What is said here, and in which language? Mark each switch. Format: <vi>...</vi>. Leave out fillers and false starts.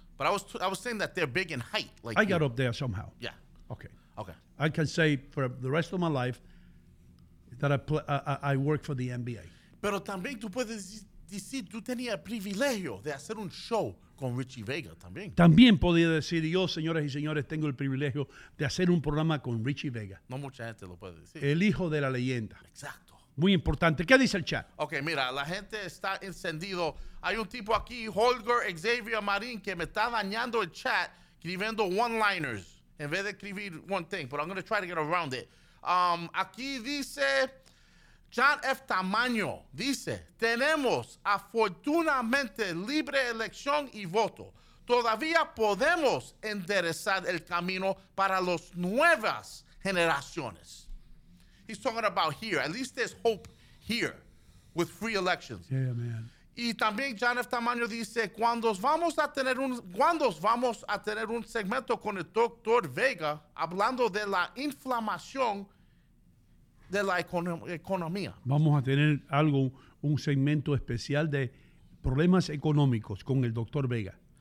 <en>but I was saying that they're big in height. Like I got up there somehow. Yeah. Okay. Okay. I can say for the rest of my life that I work for the NBA.</en> <es>Pero también tú puedes decir, tú tenías el privilegio de hacer un show con Richie Vega también. También podía decir, yo, señoras y señores, tengo el privilegio de hacer un programa con Richie Vega. No mucha gente lo puede decir. El hijo de la leyenda. Exacto. Muy importante. ¿Qué dice el chat? Ok, mira, la gente está encendido. Hay un tipo aquí, Holger Xavier Marín, que me está dañando el chat escribiendo one-liners en vez de escribir one thing, but I'm going to try to get around it. Aquí dice John F. Tamaño, dice, tenemos afortunadamente libre elección y voto. Todavía podemos enderezar el camino para las nuevas generaciones.</es> <en>He's talking about here. At least there's hope here with free elections. Yeah, man.</en> <es>Y también John F. Tamaño dice, ¿cuándo vamos a tener un segmento con el doctor Vega hablando de la inflamación de la economía? Vamos a tener algo, un segmento especial de problemas económicos con el doctor Vega.</es>